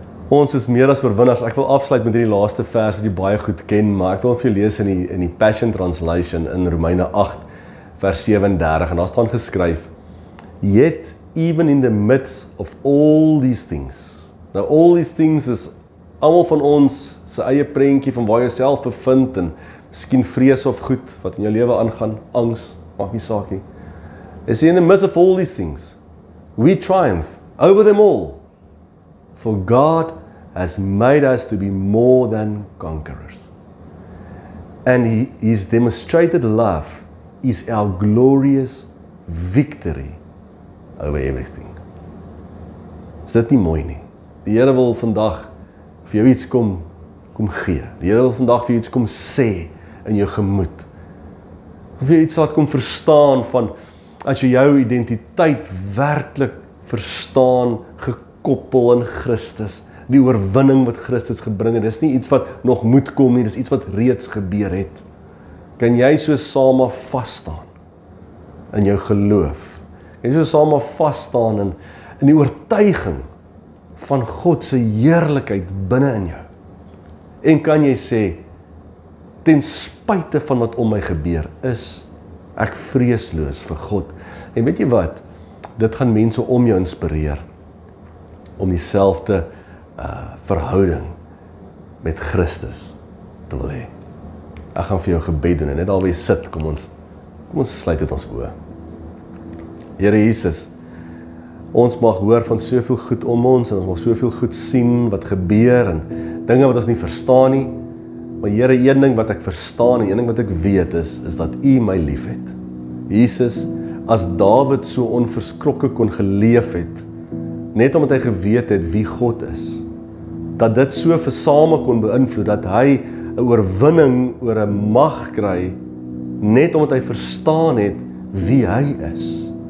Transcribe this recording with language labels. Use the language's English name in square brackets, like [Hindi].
[Afrikaans] Ons is meer as oorwinnaars. Ek wil afsluit met hierdie laaste vers wat jy baie goed ken, maar ek wil vir jou lees in die Passion Translation in Romeine 8 vers 37 en daar staan geskryf: [English] Yet even in the midst of all these things. [Afrikaans] Nou [English] all these things [Afrikaans] is almal van ons sy eie prentjie van waar jy self bevind en miskien vrees of goed wat in jou lewe aangaan, angs, maak nie saak nie. [English] Hy sê, in the midst of all these things, we triumph over them all. For God has made us to be more than conquerors. And his demonstrated love is our glorious victory over everything. [Afrikaans] Is dit nie mooi nie? Die Heere wil vandag vir jou iets kom gee. Die Heere wil vandag vir jou iets kom sê in jou gemoed. Of jy iets laat kom verstaan van, as jy jou identiteit werklik verstaan, gekoppel in Christus, die oorwinning wat Christus gebring het, is nie iets wat nog moet kom nie, dis iets wat reeds gebeur het. Kan jy so same vaststaan in jou geloof? Kan jy so same vaststaan in die oortuiging van God se heerlikheid binne in jou? En kan jy sê, ten spyte van wat om my gebeur, is ek vreesloos vir God. En weet jy wat, dit gaan mense om jou inspireer om dieselfde verhouding met Christus te wil hê. Ek gaan vir jou gebed doen en net daar waar jy sit, kom ons sluit dit ons oë. Here Jesus, ons mag hoor van soveel goed om ons en ons mag soveel goed sien wat gebeur en dinge wat ons nie verstaan nie, maar Here, een ding wat ek verstaan en een ding wat ek weet is dat U my lief het. Jesus, as Dawid so onverskrokke kon geleef het, net omdat hy geweet het wie God is, dat dit so vir Sama kon beïnvloed, dat hy 'n oorwinning oor 'n mag kry, net omdat hy verstaan het wie hy is.